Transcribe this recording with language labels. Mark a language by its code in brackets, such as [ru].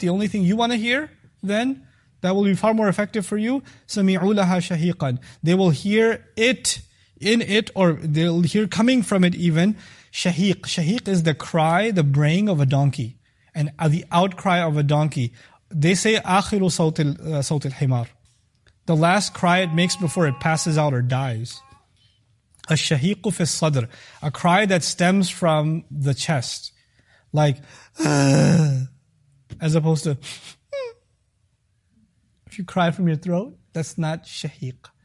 [en] The only thing you want to hear then, that will be far more effective for you, [ar] سَمِعُوا لَهَا شَهِيقًا. [en] They will hear it in it, or they'll hear coming from it even, شَهِيق. شَهِيق is the cry, the braying of a donkey, and the outcry of a donkey. They say, [ar] آخِرُ صَوْتِ الْحِمَارِ. [en] The last cry it makes before it passes out or dies. [ar] الشَّهِيقُ فِي الصَّدْرِ. [en] A cry that stems from the chest. Like, as opposed to, if you cry from your throat, that's not shahiq.